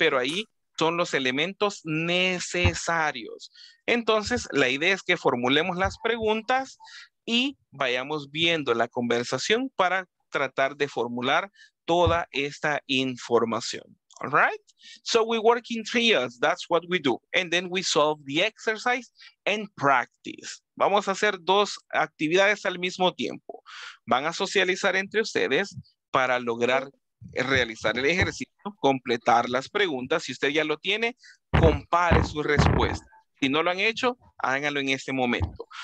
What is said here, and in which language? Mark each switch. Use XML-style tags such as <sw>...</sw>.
<es>Pero ahí son los elementos necesarios. Entonces, la idea es que formulemos las preguntas y vayamos viendo la conversación para tratar de formular toda esta información.</es> <en>All right? So we work in trios. That's what we do. And then we solve the exercise and practice.</en> <es>Vamos a hacer dos actividades al mismo tiempo. Van a socializar entre ustedes para lograr realizar el ejercicio, completar las preguntas. Si usted ya lo tiene, compare su respuesta. Si no lo han hecho, háganlo en este momento.</es>